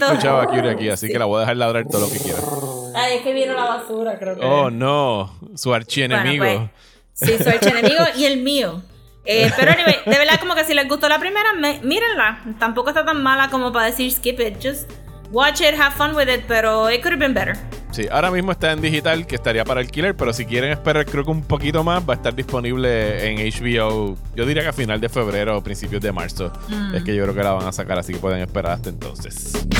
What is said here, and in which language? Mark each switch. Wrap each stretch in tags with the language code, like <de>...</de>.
<es>No escuchaba a Cutie aquí, así que la voy a dejar ladrar todo lo que quiera. Ay, es que vino la basura, creo que. Oh, no. Su archienemigo. Bueno, pues, sí, su archienemigo y el mío. Pero anyway, de verdad, como que si les gustó la primera, mírenla. Tampoco está tan mala como para decir</es> <en>skip it. Just watch it, have fun with it,</en> <es>pero</es> <en>it could have been better.</en> <es>Sí, ahora mismo está en digital, que estaría para alquiler, pero si quieren esperar, creo que un poquito más, va a estar disponible en HBO. Yo diría que a final de febrero o principios de marzo. Es que yo creo que la van a sacar, así que pueden esperar hasta entonces.</es>